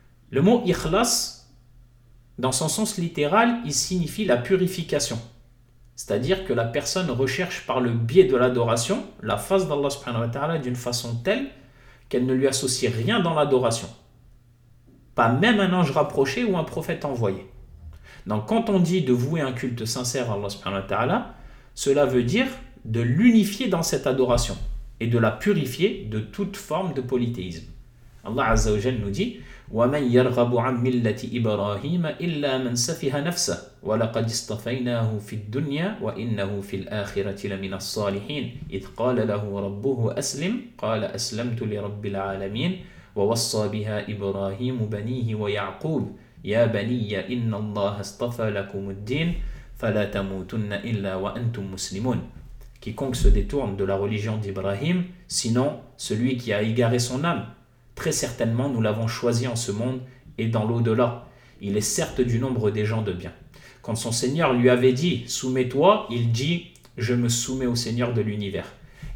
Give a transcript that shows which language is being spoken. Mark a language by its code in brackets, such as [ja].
[fr] Le mot إخلاص dans son sens littéral, il signifie la purification, c'est-à-dire que la personne recherche par le biais de l'adoration la face d'Allah subhanahu wa ta'ala d'une façon telle qu'elle ne lui associe rien dans l'adoration, pas même un ange rapproché ou un prophète envoyé. Donc quand on dit de vouer un culte sincère à Allah subhanahu wa ta'ala, cela veut dire de l'unifier dans cette adoration et de la purifier de toute forme de polythéisme. Allah Azza wa Jal nous dit: [ar] وَمَنْ يَرْغَبُ عَنْ مِلَّةِ إِبْرَاهِيمَ إِلَّا مَنْ سَفِهَ نَفْسَهُ وَلَقَدْ اصْطَفَيْنَاهُ فِي الدُّنْيَا وَإِنَّهُ فِي الْآخِرَةِ لَمِنَ الصَّالِحِينَ إِذْ قَالَ لَهُ رَبُّهُ أَسْلِمْ قَالَ أَسْلَمْتُ لِرَبِّ الْعَالَمِينَ ووصى بها إبراهيم بنيه ويعقوب يا بني إن الله اصطفى لكم الدين فلا تموتن إلا وأنتم مسلمون. [fr] Quiconque se détourne de la religion d'Ibrahim, sinon celui qui a égaré son âme, très certainement nous l'avons choisi en ce monde et dans l'au-delà. Il est certes du nombre des gens de bien. Quand son Seigneur lui avait dit « Soumets-toi », il dit « Je me soumets au Seigneur de l'univers ».